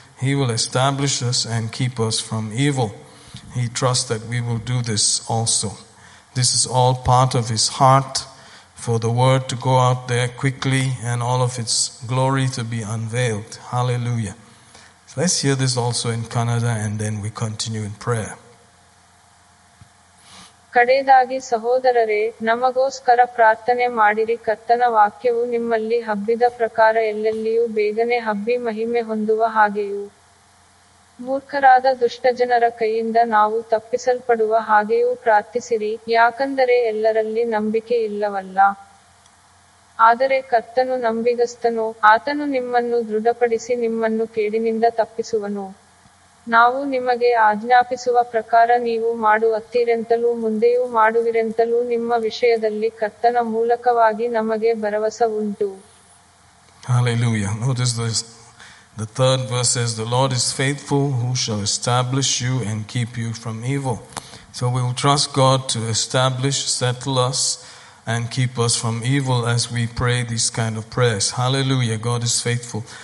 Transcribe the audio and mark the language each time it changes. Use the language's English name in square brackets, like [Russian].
[English] He will establish us and keep us from evil. He trusts that we will do this also. This is all part of his heart, for the word to go out there quickly and all of its glory to be unveiled. Hallelujah. So let's hear this also in Kannada and then we continue in prayer. [Kannada] ಕಡೆಯದಾಗಿ ಸಹೋದರರೇ, ನಮಗೋಸ್ಕರ ಪ್ರಾರ್ಥನೆ ಮಾಡಿರಿ. ಕರ್ತನ ವಾಕ್ಯವು ನಿಮ್ಮಲ್ಲಿ ಹಬ್ಬಿದ ಪ್ರಕಾರ ಎಲ್ಲೆಲ್ಲಿಯೂ ಬೇಗನೆ ಹಬ್ಬಿ ಮಹಿಮೆ ಹೊಂದುವ ಹಾಗೆಯೂ, ಮೂರ್ಖರಾದ ದುಷ್ಟಜನರ ಕೈಯಿಂದ ನಾವು ತಪ್ಪಿಸಲ್ಪಡುವ ಹಾಗೆಯೂ ಪ್ರಾರ್ಥಿಸಿರಿ. ಯಾಕೆಂದರೆ ಎಲ್ಲರಲ್ಲಿ ನಂಬಿಕೆ ಇಲ್ಲವಲ್ಲ, ಆದರೆ ಕರ್ತನು ನಂಬಿಗಸ್ತನು, ಆತನು ನಿಮ್ಮನ್ನು ದೃಢಪಡಿಸಿ ನಿಮ್ಮನ್ನು ಕೇಡಿನಿಂದ ತಪ್ಪಿಸುವನು. ನಾವು ನಿಮಗೆ ಆಜ್ಞಾಪಿಸುವ ಪ್ರಕಾರ ನೀವು ಮಾಡುವತ್ತೀರೆಂತಲೂ ಮುಂದೆಯೂ ಮಾಡುವಿರೆಂತಲೂ ನಿಮ್ಮ ವಿಷಯದಲ್ಲಿ ಕರ್ತನ ಮೂಲಕವಾಗಿ ನಮಗೆ ಭರವಸೆ ಉಂಟು. [English] Hallelujah. Notice this. The third verse says, the Lord is faithful, who shall establish you and keep you from evil. So we will trust God to establish, settle us, and keep us from evil as we pray these kind of prayers. Hallelujah. God is faithful.